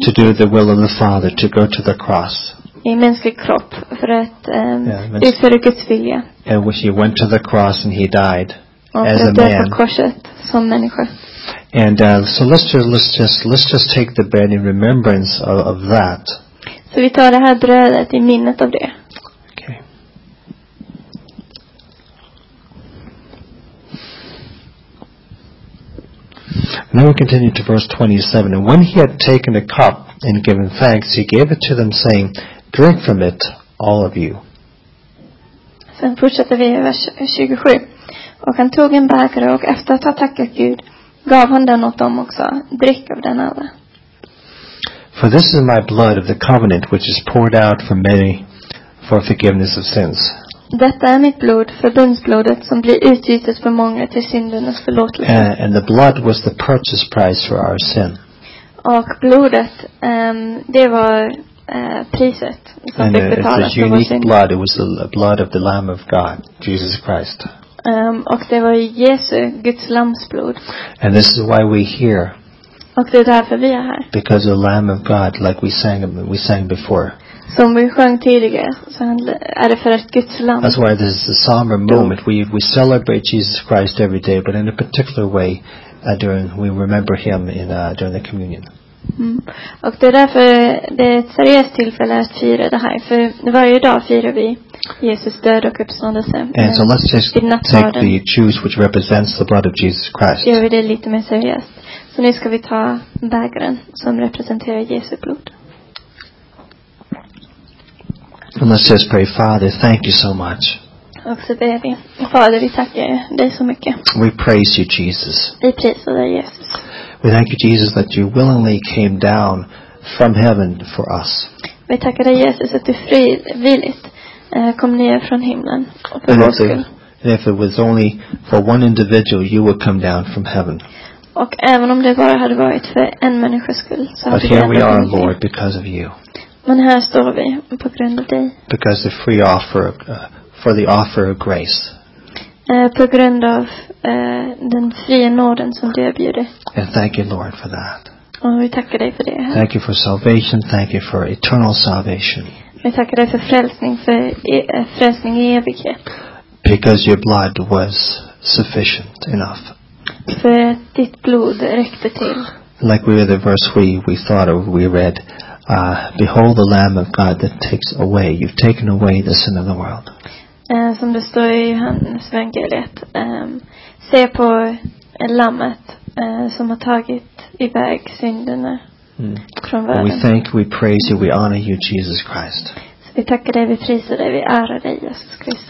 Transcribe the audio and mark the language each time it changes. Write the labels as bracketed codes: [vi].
[en] To do the will of the Father, to go to the cross. [sv] I mänsklig kropp för att utföra Guds vilja. [en] And when he went to the cross and he died as a man. [sv] Och dö på korset som människa. [en] And so let's just take the bread in remembrance of that. [sv] Så vi tar det här brödet i minnet av det. [en] Okay. Now we continue to verse 27. And when he had taken a cup and given thanks, he gave it to them, saying, "Drink from it, all of you." [sv] Sen fortsätter vi i vers 27. Och han tog en bägare och efter att ha tackat Gud gav han den åt dem också. Drick av den alla. [en] For this is my blood of the covenant which is poured out for many for forgiveness of sins. [sv] Detta är mitt blod, förbundsblodet, som blir utgjutet för många till syndernas förlåtelse. [en] And the blood was the purchase price for our sin. [sv] Och blodet, det var priset som [en] and [sv] fick betalas för vår synd. [en] It's a unique blood. It was the blood of the Lamb of God, Jesus Christ. [sv] Och det var Jesu, Guds lammsblod. [en] And this is why we're here. [sv] Och det är därför vi är här. [en] Because the Lamb of God, like we sang before. [sv] Som vi sjöng tidigare, så är det för att Guds lamm. [en] That's why this is a somber moment. We celebrate Jesus Christ every day, but in a particular way during we remember him in during the communion. [sv] Och det är därför det är ett seriöst tillfälle att fira det här, för varje dag firar vi Jesus död och uppståndelse. [en] And so let's just take the juice which represents the blood of Jesus Christ. [sv] Gör vi det lite mer seriöst. Så nu ska vi ta bägaren som representerar Jesu blod. [en] And let's just pray, Father, thank you so much. [sv] Och så ber vi, Fader, vi tackar dig så mycket. [en] We praise you, Jesus. [sv] Vi prisar dig, Jesus. [en] We thank you, Jesus, that you willingly came down from heaven for us. [sv] Vi tackar dig, Jesus, att du frivilligt kom ner från himlen för oss. [en] And if it was only for one individual, you would come down from heaven. [sv] Och även om det bara hade varit för en människas skull så hade det varit. [en] But here we are, Lord, because of you. [sv] Men här står vi på grund av dig. [en] Because the free offer for the offer of grace. [sv] På grund av den fria nåden som du erbjuder. [en] And thank you, Lord, for that. [sv] Och vi tackar dig för det. [en] Thank you for salvation. Thank you for eternal salvation. [sv] Vi tackar dig för frälsning i evighet. [en] Because your blood was sufficient enough. [sv] För ditt blod räckte till. [en] Like we were the verse we thought of, we read, behold the Lamb of God that takes away, you've taken away the sin of the world. [sv] Som det står i Johannes evangeliet, se på lammet som har tagit iväg synderna från världen. [en] We thank, we praise you, we honor you, Jesus Christ. [sv] Så vi tackar dig, vi prisar dig, vi ärar dig, Jesus Kristus.